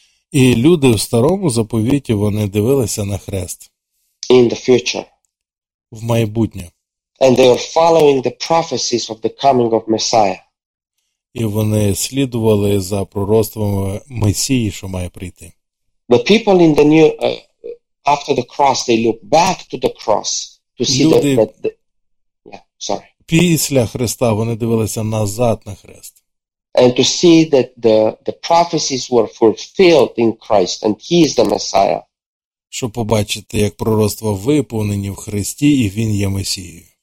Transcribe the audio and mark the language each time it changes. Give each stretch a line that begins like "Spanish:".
Ukrainian: І люди в старому заповіті, вони дивилися на хрест.
English: In the future.
Ukrainian: В майбутнє.
English: And they are following the prophecies of the coming of Messiah.
Ukrainian: І вони слідували за пророцтвами Месії, що має прийти.
English: The people in the new after the cross, they look back to the cross to see
Ukrainian: люди після Христа вони дивилися назад на хрест.
English: And to see that the prophecies were fulfilled in Christ and he is the Messiah.
Ukrainian: Щоб побачити, як пророцтва виповнені в Христі і він є Месією.